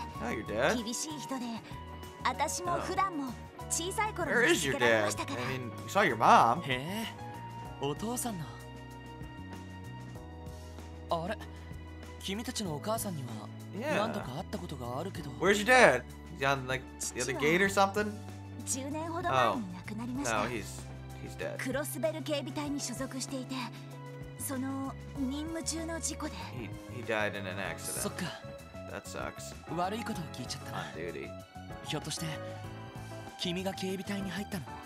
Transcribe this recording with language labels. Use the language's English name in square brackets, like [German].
[English] Oh, your dad? [Japanese] 厳しい人で、私も普段も小さい頃に [English] Where is your dad? I mean, we saw your mom. [Japanese] へえ、お父さんの。あれ、君たちのお母さんには何度か会ったことがあるけど。 [English] Where's your dad? He's on like the other gate or something? [Japanese] 10年ほど前に亡くなりました。 [English] No, he's [Japanese] クロスベル警備隊に所属していて、その任務中の事故で。 [English] He died in an accident. [Japanese] そっか。 [English] That sucks. [Japanese] 悪いことを聞いちゃったな。 [English] On duty. [Japanese] ひょっとして君が警備隊に入ったの？